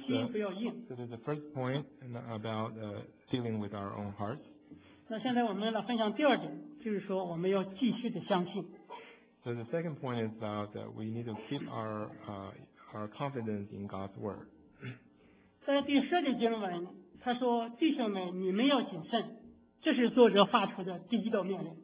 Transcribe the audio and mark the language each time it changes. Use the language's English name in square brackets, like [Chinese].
[English] This is the first point about dealing with our own hearts. [Chinese] 那现在我们来分享第二点，就是说我们要继续的相信。 [English] So the second point is about that we need to keep our confidence in God's word. [Chinese] 在第十节经文，他说：“弟兄们，你们要谨慎。” 这是作者发出的第一道命令。